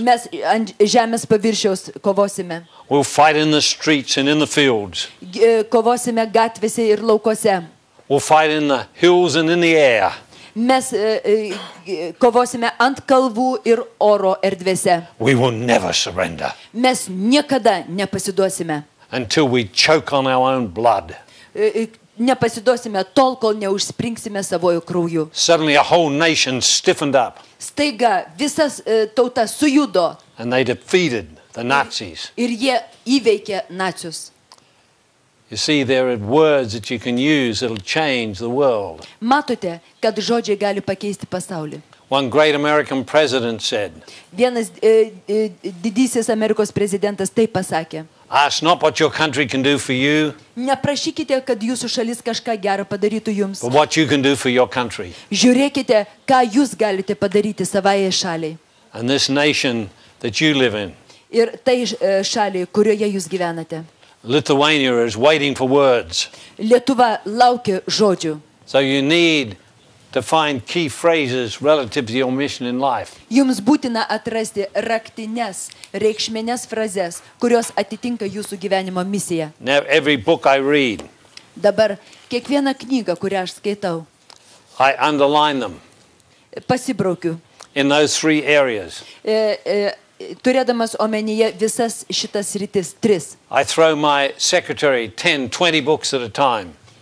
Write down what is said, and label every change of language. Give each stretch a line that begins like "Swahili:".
Lithuanian: Mes ant žemės paviršiaus kovosime.
English: We'll fight in the streets and in the fields.
Lithuanian: Kovosime gatvėse ir laukose.
English: We'll fight in the hills and in the air.
Lithuanian: Mes kovosime ant kalvų ir oro erdvėse.
English: We will never surrender.
Lithuanian: Mes niekada nepasiduosime.
English: until we choke on our own blood.
Lithuanian: Nepasiduosime tol, kol neužspringsime savojų krauju.
English: Suddenly a whole nation stiffened up.
Lithuanian: Staiga visas tauta sujudo.
English: And they defeated the Nazis.
Lithuanian: Ir jie įveikė nacius.
English: You see, there are words that you can use that'll change the world.
Lithuanian: Matote, kad žodžiai gali pakeisti pasaulį.
English: One great American president said.
Lithuanian: Vienas didysis Amerikos prezidentas taip pasakė.
English: Ask not what your country can do for you.
Lithuanian: Neprašykite, kad jūsų šalis kažką gero padarytų jums.
English: But what you can do for your country.
Lithuanian: Žiūrėkite, ką jūs galite padaryti savai šaliai.
English: And this nation that you live in.
Lithuanian: Ir tai šaliai, kurioje jūs gyvenate.
English: Lithuania is waiting for words.
Lithuanian: Lietuva laukia žodžių.
English: So you need to find key phrases relative to your mission in life.
Lithuanian: Jums būtina atrasti raktines, reikšmines frazes, kurios atitinka jūsų gyvenimo misiją.
English: Now every book I read.
Lithuanian: Dabar kiekvieną knygą, kurią aš skaitau.
English: I underline them.
Lithuanian: Pasibraukiu.
English: In those three areas.
Lithuanian: Turėdamas omenyje visas šitas rytis, tris.
English: I throw my secretary 10-20 books at a time.